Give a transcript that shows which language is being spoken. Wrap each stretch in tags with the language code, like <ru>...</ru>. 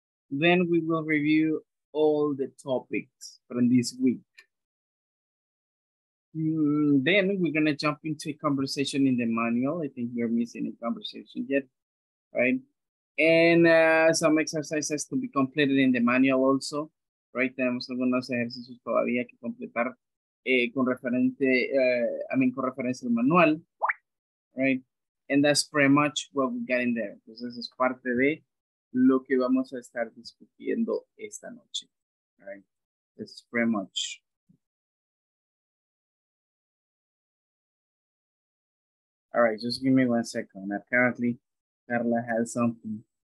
<en>Then we will review all the topics from this week. Then we're gonna jump into a conversation in the manual. I think we're missing a conversation yet, right? And some exercises to be completed in the manual also, right?</en> <es>Tenemos algunos ejercicios todavía que completar con referencia al manual.</es> <en>Right, and that's pretty much what we got in there.</en> <es>Entonces, es parte de lo que vamos a estar discutiendo esta noche.</es> <en>Right, that's pretty much. All right, just give me 1 second. Apparently, Carla has something.</en>